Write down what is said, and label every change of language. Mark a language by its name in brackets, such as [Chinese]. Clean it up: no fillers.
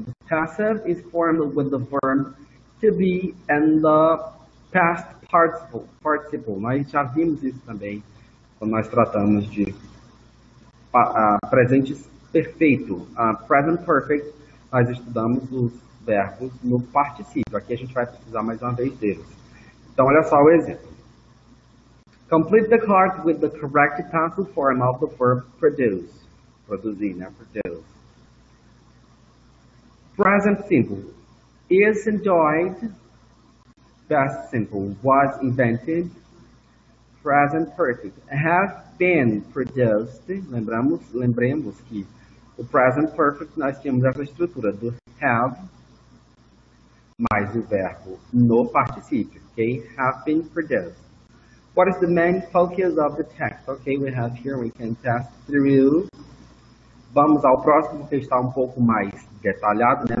[English] The passive is formed with the verb to be and the past participle. [Portuguese] Nós já vimos isso também. Quando nós tratamos de presente perfeito, present perfect, nós estudamos os verbos no particípio. Aqui a gente vai precisar mais uma vez deles. Então, olha só o exemplo. [English] Complete the card with the correct passive form of the verb produce. [Portuguese] Produzir, né? Produce. [English] Present simple. Is enjoyed. Best simple. Was invented. Present perfect. Have been produced. [Portuguese] Lembremos que o present perfect nós tínhamos essa estrutura do have mais o verbo no particípio. [English] Okay? Have been produced. What is the main focus of the text? Okay, we have here, we can pass through. [Portuguese] Vamos ao próximo que está um pouco mais detalhado, né?